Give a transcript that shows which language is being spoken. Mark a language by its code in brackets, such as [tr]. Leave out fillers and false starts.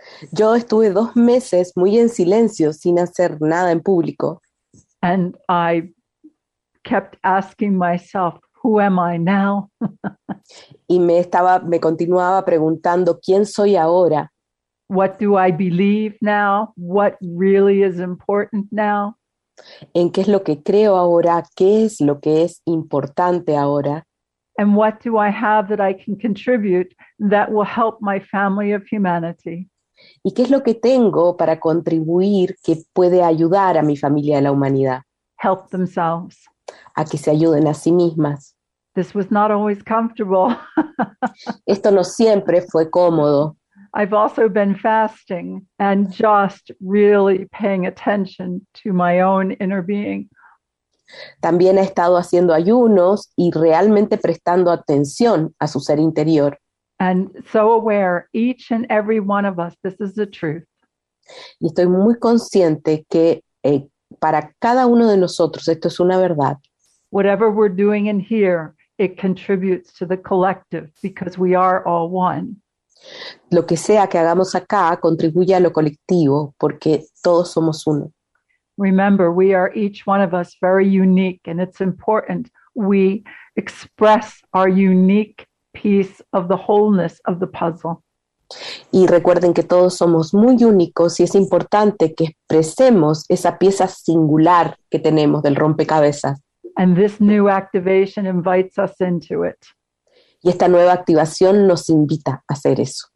[es] Yo estuve 2 meses muy en silencio, sin hacer nada en público. [en] And I kept asking myself, who am I now? [es] Y me continuaba preguntando, ¿quién soy ahora? [en] What do I believe now? What really is important now? [es] ¿En qué es lo que creo ahora? ¿Qué es lo que es importante ahora? [en] And what do I have that I can contribute that will help my family of humanity? [es] ¿Y qué es lo que tengo para contribuir que puede ayudar a mi familia de la humanidad? [en] Help themselves. [es] A que se ayuden a sí mismas. [en] This was not always comfortable. [es] Esto no siempre fue cómodo. [en] I've also been fasting and just really paying attention to my own inner being. [es] También he estado haciendo ayunos y realmente prestando atención a su ser interior. [en] And so aware, each and every one of us, this is the truth. [es] Y estoy muy consciente que para cada uno de nosotros esto es una verdad. [en] Whatever we're doing in here, it contributes to the collective because we are all one. [es] Lo que sea que hagamos acá contribuye a lo colectivo porque todos somos uno. [en] Remember, we are each one of us very unique, and it's important we express our unique piece of the wholeness of the puzzle. [es] Y recuerden que todos somos muy únicos y es importante que expresemos esa pieza singular que tenemos del rompecabezas. [en] And this new activation invites us into it. [es] Y esta nueva activación nos invita a hacer eso.